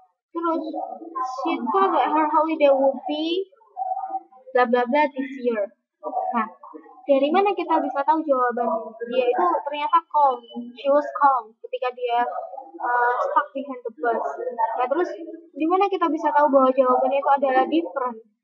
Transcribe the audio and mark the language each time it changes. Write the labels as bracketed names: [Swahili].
[Indonesian] Terus, [English] she thought that her holiday would be blah blah blah this year. [Indonesian] Nah, dari mana kita bisa tahu jawaban dia itu ternyata calm. [English] She was calm [Indonesian] ketika dia [English] stuck behind the bus. [Indonesian] Nah, terus di mana kita bisa tahu bahwa jawabannya itu adalah different?